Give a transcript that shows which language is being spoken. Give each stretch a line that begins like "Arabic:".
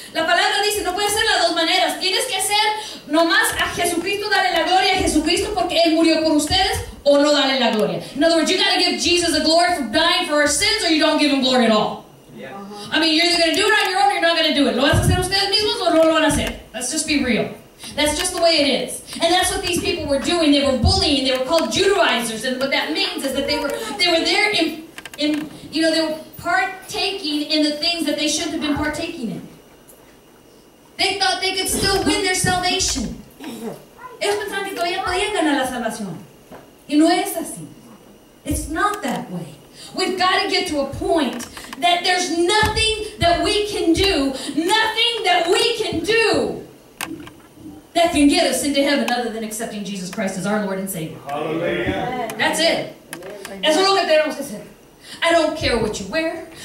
Spanish: La palabra dice, no puede ser las dos maneras. Tienes que hacer nomás a Jesucristo, darle la gloria a Jesucristo porque Él murió por ustedes, o no darle la gloria.
English: In other words, you got to give Jesus the glory for dying for our sins, or you don't give Him glory at all. Yeah. I mean, you're either going to do it on your own, or you're not going to do it.
Spanish: ¿Lo vas a hacer ustedes mismos, o no lo van a hacer?
English: Let's just be real. That's just the way it is. And that's what these people were doing. They were bullying. They were called Judaizers. And what that means is that they were there in, you know, they were partaking in the things that they shouldn't have been partaking in. They thought they could still win their salvation.
Spanish: Ellos pensaban que todavía podían ganar la salvación. Y no es así.
English: It's not that way. We've got to get to a point that there's nothing that we can do, nothing that we can do that can get us into heaven other than accepting Jesus Christ as our Lord and Savior. Hallelujah. That's it.
Spanish: Eso es lo que tenemos que hacer.
English: I don't care what you wear.